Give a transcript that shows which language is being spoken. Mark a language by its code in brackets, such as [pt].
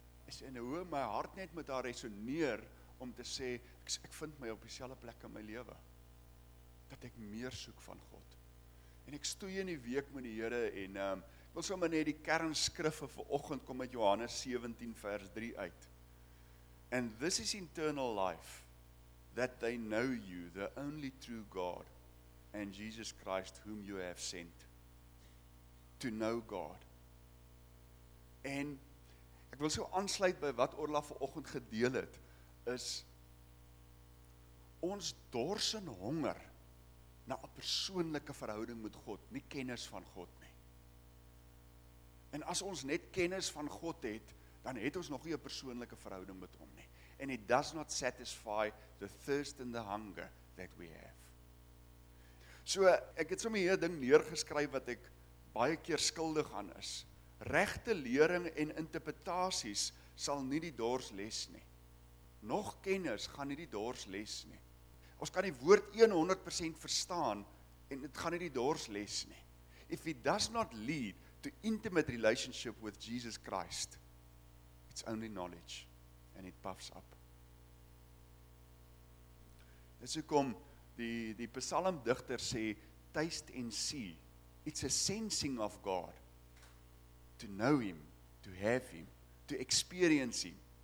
[af] Is in hoe my hart net met haar resoneer om te sê, ek vind my op dieselfde plek in my lewe. Dat ek meer soek van God. En ek stoei in die week met die Here en ons sommer net die kernskrifte vir oggend kom met Johannes 17 vers 3 uit. [en] And this is eternal life, that they know you, the only true God, and Jesus Christ whom you have sent. To know God. [af] En ek wil so aansluit by wat Orla vir oggend gedeel het, is ons dors en honger na 'n persoonlike verhouding met God, nie kennis van God. En as ons net kennis van God het, dan het ons nog nie 'n persoonlike verhouding met hom nie. [en] And it does not satisfy the thirst and the hunger that we have. [af] So ek het sommer hier 'n ding neergeskryf wat ek baie keer skuldig aan is. Regte lering en interpretasies sal nie die dors les nie. Nog kennis gaan nie die dors les nie. Ons kan die woord 100% verstaan en dit gaan nie die dors les nie. [en] If it does not lead to intimate relationship with Jesus Christ, it's only knowledge and it puffs up. [af] Dis hoekom die psalmdigter sê, [en] taste and see. It's a sensing of God. To know him, to have him, to experience him.